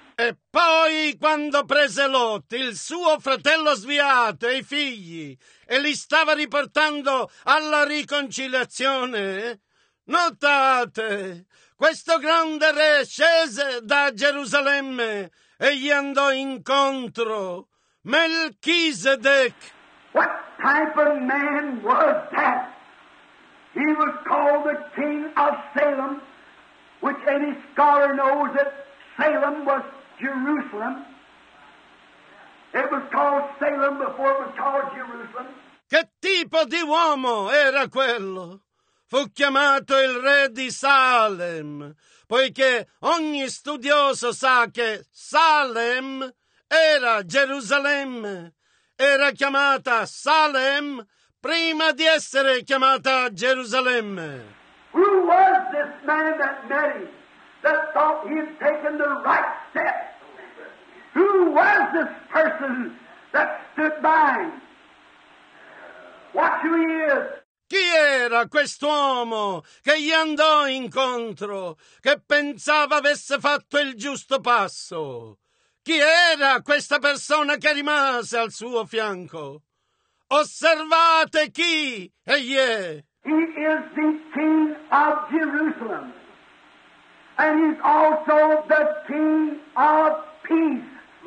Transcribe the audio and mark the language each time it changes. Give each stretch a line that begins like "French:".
Italian: E poi, quando prese Lot, il suo fratello sviato, e i figli, e li stava riportando alla riconciliazione, notate, questo grande re scese da Gerusalemme e gli andò incontro, Melchizedek.
English: What type of man was that? He was called the King of Salem, which any scholar knows that Salem was Jerusalem. It was called Salem before it was called Jerusalem.
Italian: Che tipo di uomo era quello? Fu chiamato il re di Salem, poiché ogni studioso sa che Salem era Gerusalemme. Era chiamata Salem prima di essere chiamata Gerusalemme.
English: Who was this man that met him that thought he had taken the right step? Who was this person that stood by? Watch who he is.
Italian: Chi era quest'uomo che gli andò incontro, che pensava avesse fatto il giusto passo? Chi era questa persona che rimase al suo fianco? Osservate chi egli è.
English: He is the King of Jerusalem. And he's also the King of Peace.